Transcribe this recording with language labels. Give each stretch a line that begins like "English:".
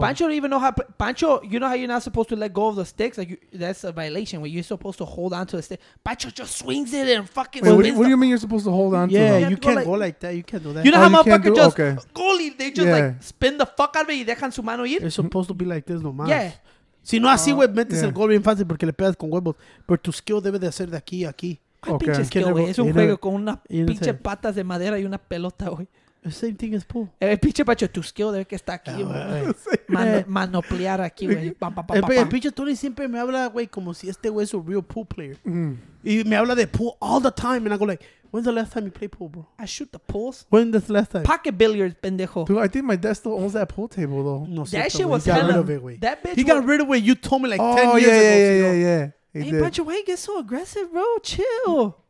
English: Pancho don't even know how. Pancho, you know how you're not supposed to let go of the sticks? Like, that's a violation where you're supposed to hold on to the stick. Pancho just swings it and fucking. Wait, what do you mean you're supposed to hold on to them? Yeah, you can't go like that. You can't do that. You know how motherfucker just. Okay. Goalie, they just like spin the fuck out of it.
Spanish: You dejan su mano ir.
English: It's supposed to be like this,
Spanish: no más.
English: Yeah.
Spanish: Si no así, güey, metes el gol bien fácil porque le pegas con huevos. Pero tu skill debe de ser de aquí a aquí. Okay. Pinche skill, es un juego con una pinche patas de madera y una pelota, güey.
English: Same thing as pool.
Spanish: El pinche Pacho, tu skill debe que está aquí, güey. Manoplear aquí, güey. El pinche Tony siempre me habla, güey, como si este güey es un
English: real pool player.
Spanish: Y me habla de pool
English: all the time. And I go like, when's the last time you play pool, bro? I shoot the pools. When's the last time? Pocket billiards, pendejo. Dude, I think my dad still owns that pool table, though. No, that shit was hella. He got rid of it,
Spanish: güey.
English: That bitch. He got rid of it, you told me like 10 years ago. Yeah. Hey, Pancho, why you get so aggressive, bro? Chill.